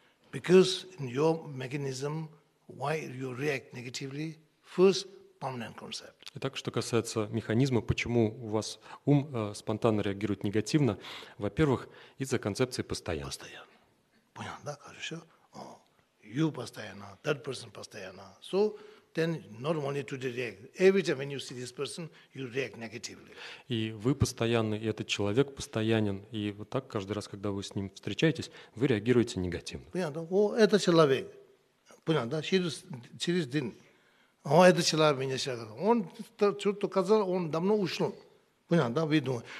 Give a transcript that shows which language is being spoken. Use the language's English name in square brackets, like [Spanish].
[English] Because in your mechanism, why you react negatively? First, permanent concept. [Russian] Итак, что касается механизма, почему у вас ум спонтанно реагирует негативно? Во-первых, из-за концепции постоянства. Постоянно. Понятно, да? Кажется, [English] you постоянно, that person постоянно. So then normally to react. Every time when you see this person, you react negatively. [Russian] И вы постоянный, и этот человек постоянен. И вот так каждый раз, когда вы с ним встречаетесь, вы реагируете негативно. Понятно? О, это человек. Понятно, да? Через день. О, это человек меня сейчас. Он что-то сказал, он давно ушел. Понятно, да? Вы думаете.